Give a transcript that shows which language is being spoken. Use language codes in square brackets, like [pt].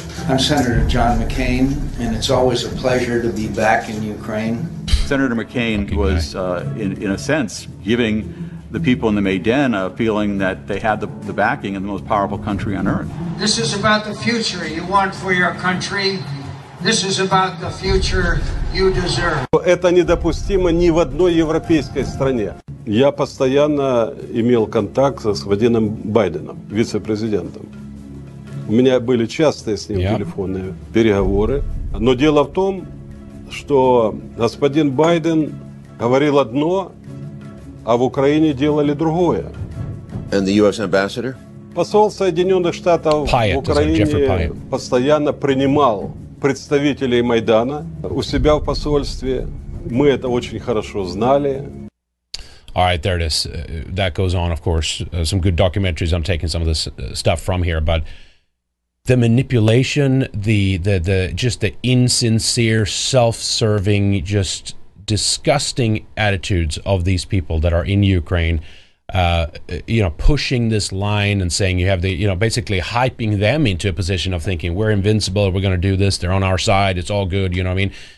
[en] I'm Senator John McCain, and it's always a pleasure to be back in Ukraine. Senator McCain was, in a sense, giving the people in the Maidan a feeling that they had the backing of the most powerful country on earth. This is about the future you want for your country. This is about the future you deserve. [ru] Это недопустимо ни в одной европейской стране. Я постоянно имел контакт с Владимиром Байденом, вице-президентом. У меня были частые с ним телефонные переговоры. Но дело в том, что господин Байден говорил одно, а в Украине делали другое. [en] And the US ambassador? [ru] Посол Соединенных Штатов Пайет, в Украине постоянно принимал представителей Майдана у себя в посольстве. Мы это очень хорошо знали. [en] All right, there it is. That goes on, of course. Some good documentaries. I'm taking some of this stuff from here, but the manipulation, the just the insincere, self-serving, just disgusting attitudes of these people that are in Ukraine, you know, pushing this line and saying you have the, you know, basically hyping them into a position of thinking we're invincible, we're going to do this, they're on our side, it's all good, you know what I mean?